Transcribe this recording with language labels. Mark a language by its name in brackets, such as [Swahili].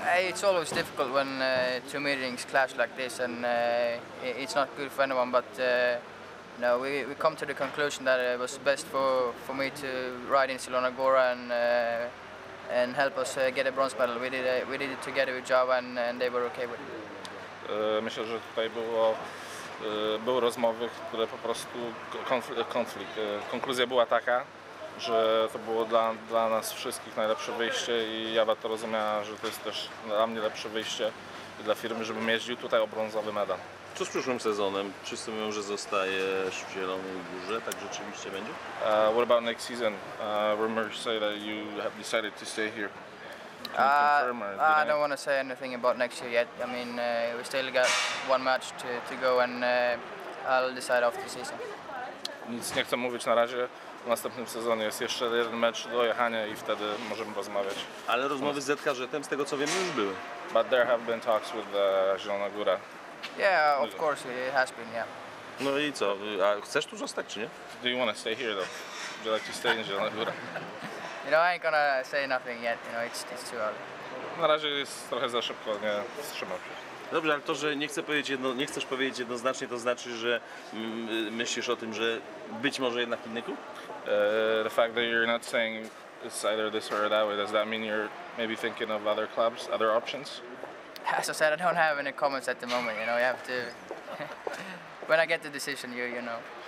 [English] It's always difficult when two meetings clash like this, and it's not good for anyone. But no, we come to the conclusion that it was best for me to ride in Zielona Góra and help us get a bronze medal. We did it together with Java and they were okay with it. [Polish] Myślę, że tutaj były rozmowy, które po prostu konflikt. Konkluzja była taka, że to było dla nas wszystkich najlepsze wyjście i Java to rozumiała, że to jest też dla mnie lepsze wyjście i dla firmy, żebym jeździł tutaj o brązowy medal. Co z przyszłym sezonem? Wszyscy mówią, że zostajesz w Zielonej Górze, tak rzeczywiście będzie? [English] What about next season? Rumors say that you have decided to stay here. I don't want to say anything about next year yet. I mean, we still got one match to go and I'll decide after the season. [Polish] Nic nie chcę mówić na razie. W następnym sezonie jest jeszcze jeden mecz do jechania i wtedy możemy rozmawiać. Ale rozmowy z ZKŻ-em, z tego co wiem, już były. [English] But there have been talks with Zielona Góra. Yeah, of course it has been, yeah. [Polish] No i co? A chcesz tu zostać, czy nie? [English] Do you want to stay here though? Would you like to stay in Zielona? You know, I ain't gonna say nothing yet, you know, it's too early. [Polish] Na razie jest trochę za szybko, nie wstrzymam się. Dobrze, ale to, że nie chcę powiedzieć nie chcesz powiedzieć jednoznacznie, to znaczy, że myślisz o tym, że być może jednak inny klub? [English] The fact that you're not saying it's either this or that way, does that mean you're maybe thinking of other clubs, other options? As I said, I don't have any comments at the moment, you know, you have to... When I get the decision, you know.